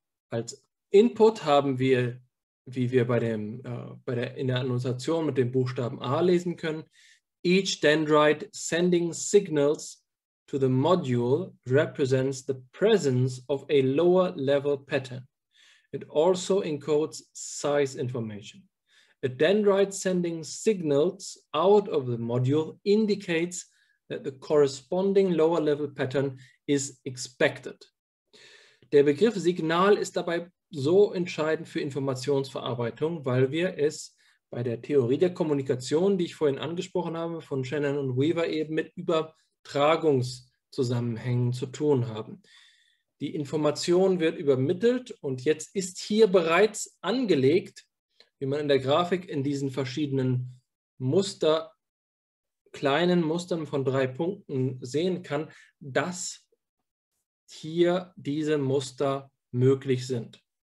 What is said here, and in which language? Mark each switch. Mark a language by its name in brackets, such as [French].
[German] Als Input haben wir, wie wir in der Annotation mit dem Buchstaben A lesen können, [English] each dendrite sending signals to the module represents the presence of a lower level pattern. It also encodes size information. A dendrite sending signals out of the module indicates that the corresponding lower level pattern is expected. [German] Der Begriff Signal ist dabei so entscheidend für Informationsverarbeitung, weil wir es bei der Theorie der Kommunikation, die ich vorhin angesprochen habe, von Shannon und Weaver eben mit Übertragungszusammenhängen zu tun haben. Die Information wird übermittelt und jetzt ist hier bereits angelegt, wie man in der Grafik in diesen verschiedenen Muster, kleinen Mustern von drei Punkten sehen kann, dass hier diese Muster möglich sind.